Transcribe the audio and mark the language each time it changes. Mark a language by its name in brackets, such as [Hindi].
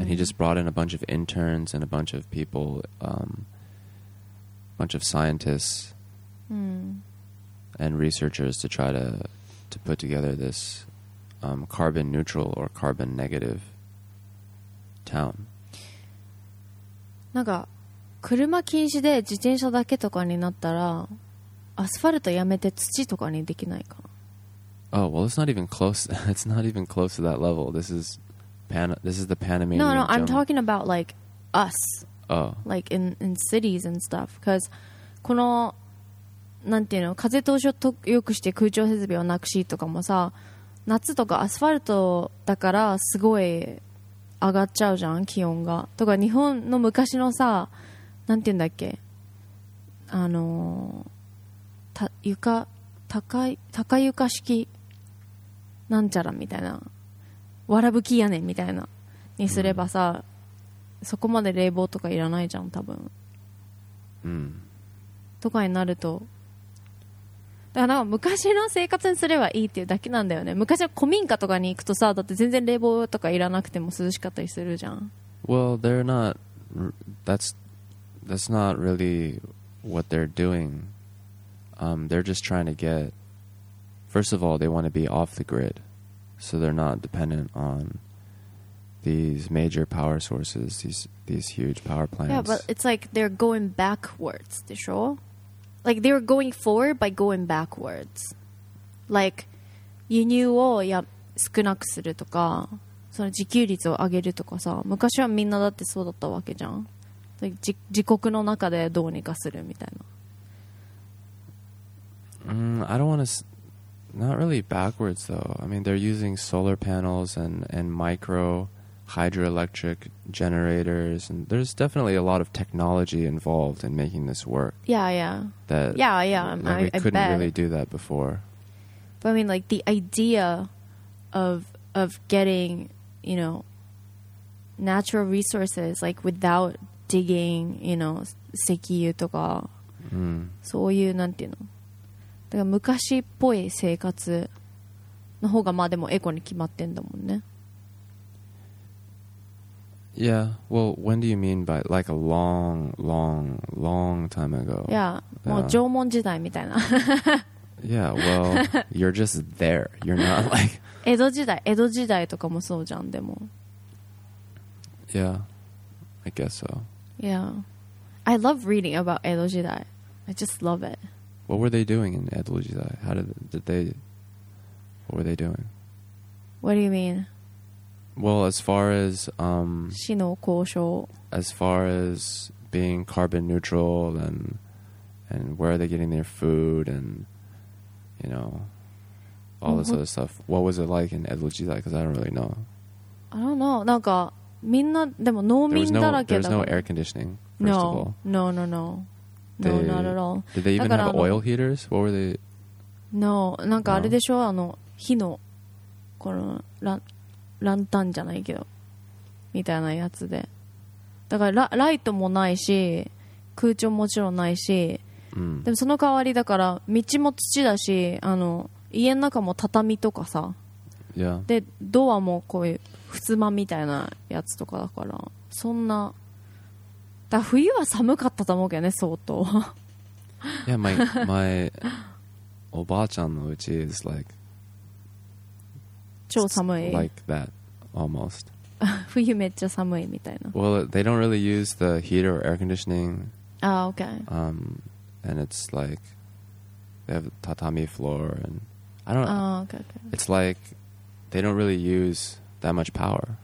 [English] And he just brought in a bunch of interns and a bunch of people, bunch of scientists and researchers to try to put together this carbon neutral or carbon negative town. [Japanese] なんか車禁止で自転車だけとかになったら、アスファルトやめて土とかにできないかな。 [English] Oh, well, it's not even close. It's not even close to that level. This is the Panamanian. No, I'm talking about like us. Oh. Like in cities and stuff. [Japanese] Because このなんていうの、風通しを良くして空調設備をなくしとかもさ、夏とかアスファルトだからすごい上がっちゃうじゃん、気温が。とか日本の昔のさ、なんていうんだっけ、高床式なんちゃらみたいな、わらぶき屋根みたいなにすればさ、そこまで冷房とかいらないじゃん多分。とかになると、だからなんか昔の生活にすればいいっていうだけなんだよね。昔は古民家とかに行くとさ、だって全然冷房とかいらなくても涼しかったりするじゃん。 [English] Well, they're not that's not really what they're doing. They're just trying to get, first of all, they want to be off the grid, so they're not dependent on these major power sources, these huge power plants. Yeah, but it's like they're going backwards, de shou? Like they were going forward by going backwards. [Japanese] Like, 輸入を少なくするとか、その自給率を上げるとかさ、昔はみんなだってそうだったわけじゃん。 Like, 自国の中でどうにかするみたいな。 [English] I don't want to. Not really backwards, though. I mean, they're using solar panels and micro hydroelectric generators, and there's definitely a lot of technology involved in making this work. Yeah. We couldn't really do that before. But I mean, like, the idea of getting, you know, natural resources like without digging, you know, [Japanese] 石油とか、うん、そういうなんていうの、だから昔っぽい生活の方がまあでもエコに決まってんだもんね。 [English] Yeah, well, when do you mean by like a long, long, long time ago? [Japanese] Yeah, もう縄文時代みたいな。 [English] Yeah, well, you're just there. You're not like [Japanese] 江戸時代、江戸時代とかもそうじゃん、でも。 [English] Yeah, I guess so. Yeah, I love reading about 江戸時代.I just love it. What were they doing in 江戸時代?How did they? What were they doing? What do you mean? Well, as far as, 死の交渉, as far as being carbon neutral and where are they getting their food and, you know, all this other stuff. What was it like in 江戸時代?Because I don't really know. I don't know. [Japanese] なんかみんなでも農民だらけだから。 [English] There was no air conditioning, first no, of all. No, no, no. They, no, not at all. Did they even have oil heaters? What were they? [Japanese] No, なんかあれでしょ?あの、火の、この、ランタンじゃないけどみたいなやつで、だから ライトもないし空調もちろんないし、うん、でもその代わりだから道も土だし、あの家の中も畳とかさ、 [English] yeah. [Japanese] でドアもこういう襖みたいなやつとかだから、そんなだ、冬は寒かったと思うけどね相当。いや、my おばあちゃんの家 [English] is like [Japanese] 超寒い。 [English] Like that, almost. [Japanese] 冬めっちゃ寒いみたいな。 [English] Well, they don't really use the heater or air conditioning. Ah, okay. And it's like they have tatami floor, and I don't. Ah, okay, okay. It's like they don't really use that much power.